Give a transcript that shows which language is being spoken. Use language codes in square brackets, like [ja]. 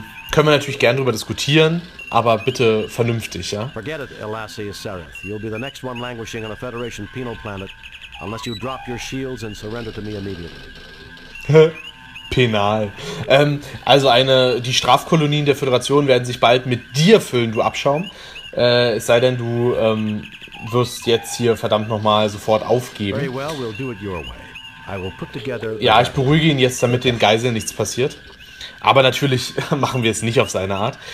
[de] Können wir natürlich gern drüber diskutieren, aber bitte vernünftig, ja? [en] Forget it, Elassie Sereth. You'll be the next one languishing on a Federation penal planet, unless you drop your shields and surrender to me immediately. Penal. [de] Die Strafkolonien der Föderation werden sich bald mit dir füllen, du Abschaum. Es sei denn, du wirst jetzt hier verdammt nochmal sofort aufgeben. [en] Very well, we'll do it your way. I will put together... [de] Ja, ich beruhige ihn jetzt, damit den Geiseln nichts passiert. Aber natürlich machen wir es nicht auf seine Art.